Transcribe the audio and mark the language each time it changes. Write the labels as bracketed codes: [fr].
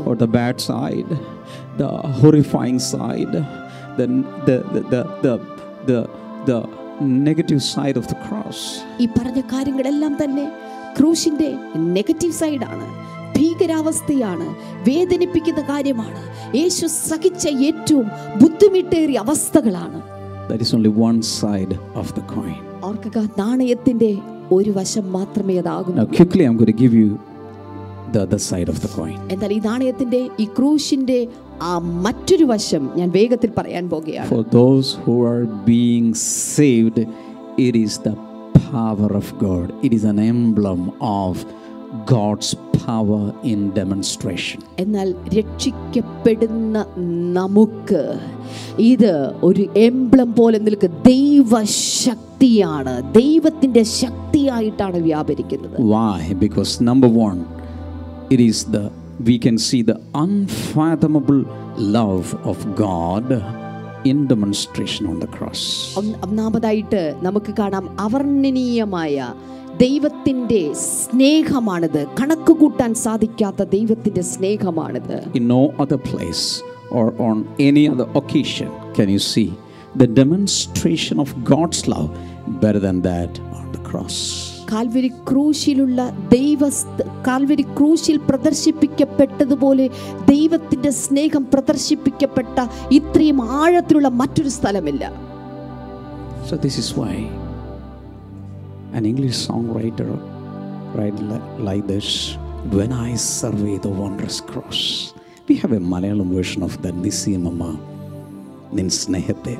[en] or the bad side, the horrifying side, the negative side of the cross. [ml] ഈ പറഞ്ഞ കാര്യങ്ങളെല്ലാം തന്നെ ക്രൂശിന്റെ നെഗറ്റീവ് സൈഡാണ്, ഭീകരാവസ്ഥയാണ്, വേദനിപ്പിക്കുന്ന കാര്യമാണ്, യേശു സഹിച്ച ഏറ്റവും ബുദ്ധിമുട്ടേറിയ അവസ്ഥകളാണ്. [en] That is only one side of the coin. [ml] ഓർക്കുക, നാണയത്തിന്റെ ഒരു വശം മാത്രമേ അതാകൂ. [en] Now quickly I'm going to give you the other side of the coin. [ml] എന്നാൽ ഈ നാണയത്തിന്റെ ഈ ക്രൂശിന്റെ ആ മറ്റൊരു വശം ഞാൻ വേഗത്തിൽ പറയാൻ പോവുകയാണ്. [en] For those who are being saved, it is the power of God. It is an emblem of God's power in demonstration. [ml] എന്നാൽ രക്ഷിക്കപ്പെടുന്ന നമുക്ക് ഇത് ഒരു എംബ്ലം പോലെ നിൽക്കുക, ദൈവശക്തിയാണ്, ദൈവത്തിന്റെ ശക്തിയായിട്ടാണ് വ്യാപരിക്കുന്നത്. [en] Why? Because number one, it is the we can see the unfathomable love of God in demonstration on the cross. [ml] അവനാമദായിട്ട് നമുക്ക് കാണാം അവർണ്ണനീയമായ ദൈവത്തിന്റെ സ്നേഹമാണിത്, കണക്കു കൂട്ടാൻ സാധിക്കാത്ത ദൈവത്തിന്റെ സ്നേഹമാണിത്. [en] In no other place or on any other occasion can you see the demonstration of God's love better than that on the cross. [ml] Calvary ക്രൂശിലുള്ള Calvary ക്രൂശിൽ പ്രദർശിപ്പിക്കപ്പെട്ടതുപോലെ ദൈവത്തിന്റെ സ്നേഹം പ്രദർശിപ്പിക്കപ്പെട്ട ഇത്രയും ആഴത്തിലുള്ള മറ്റൊരു സ്ഥലമില്ല. [en] So this is why an English songwriter write like this, when I survey the wondrous cross. We have a Malayalam version of that, Nisimamma Nin Snehathe.